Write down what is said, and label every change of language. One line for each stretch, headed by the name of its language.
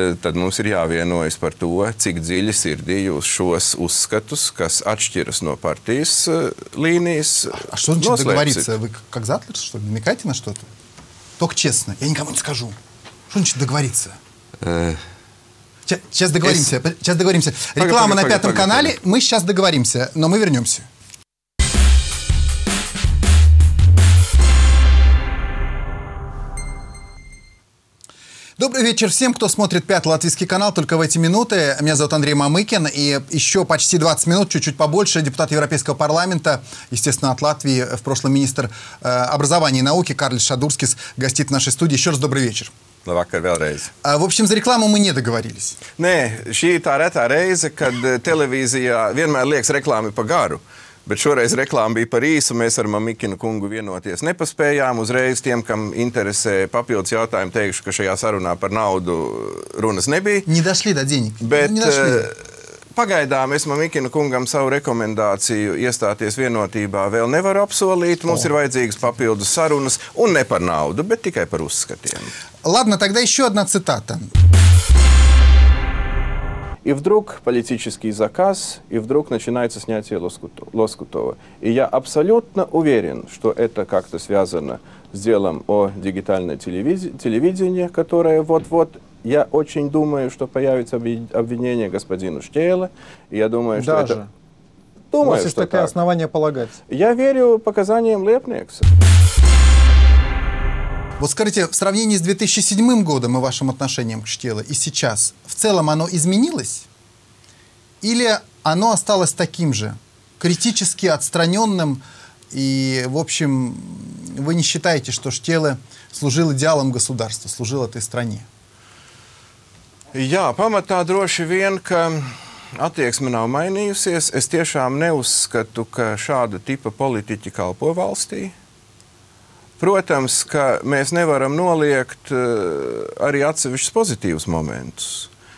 Latvian: Tad mums ir jāvienojas par to, cik dziļi sirdī jūs šos uzskatus, kas atšķiras no partijas līnijas noslēpsit.
Russian: A što значит договориться? Сейчас договоримся. Реклама на пятом канале. Мы сейчас договоримся, но мы вернемся. Добрый вечер всем, кто смотрит пятый латвийский канал только в эти минуты. Меня зовут Андрей Мамыкин, и еще почти 20 минут, чуть-чуть побольше, депутат Европейского парламента, естественно, от Латвии, в прошлом министр образования и науки Карлис Шадурскис гостит в нашей студии. Еще раз добрый вечер.
Latvian: Labvakar vēlreiz.
Russian: В общем, за рекламу мы не договорились.
Latvian: Nē, šī ir tā retā reize, kad televīzijā vienmēr liekas reklāmi pa garu, bet šoreiz reklāma bija par īsu, mēs ar Mamykinu kungu vienoties nepaspējām. Uzreiz tiem, kam interesē papildus jautājumu, teikšu, ka šajā sarunā par naudu runas nebija.
Russian: Nedašli da dzienik.
Latvian: Bet pagaidām es Mamykinu kungam savu rekomendāciju iestāties vienotībā vēl nevaru apsolīt. Mums ir vajadzīgas papildus sarunas, un ne par naudu, bet tikai par uzskatiem.
Russian: Ладно, тогда еще одна цитата. И вдруг политический заказ, и вдруг начинается снятие лоскутова. И я абсолютно уверен, что это как-то связано с делом о дигитальном телевидении, которое вот-вот, я очень думаю, что появится обвинение господину Штейла. И я думаю, что даже. Это... Думаю, что такое так. Основание полагать. Я верю показаниям Лепникса. Вот скажите, в сравнении с 2007 годом и вашим отношением к Штейлу и сейчас, в целом оно изменилось? Или оно осталось таким же, критически отстраненным? И, в общем, вы не считаете, что Штейл служил идеалом государства, служил этой стране?
Latvian: Jā, pamatā droši vien, ka attieksme nav mainījusies. Es tiešām neuzskatu, ka šāda tipa politiķi kalpo valstī. Protams, ka mēs nevaram noliekt arī atsevišķus pozitīvus momentus.